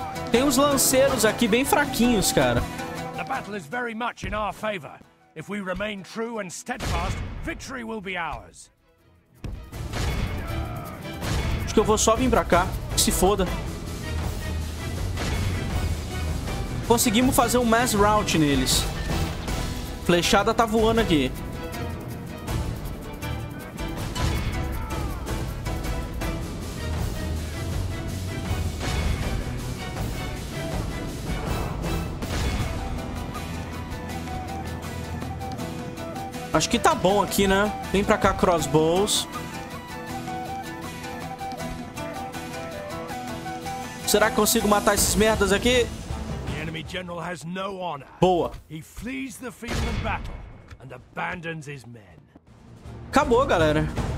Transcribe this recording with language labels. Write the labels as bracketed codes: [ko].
[pt] Tem uns lanceiros aqui bem fraquinhos, cara. [en] The battle is very much in our favor. If we remain true and steadfast, victory will be ours. [pt] Acho que eu vou só vir pra cá. Que se foda. Conseguimos fazer um mass rout neles. Flechada tá voando aqui. Acho que tá bom aqui, né? Vem pra cá, crossbows. Será que consigo matar esses merdas aqui? [en] General has no honor. [pt] Boa. [en] He flees the field of battle and abandons his men. [pt] Acabou, galera.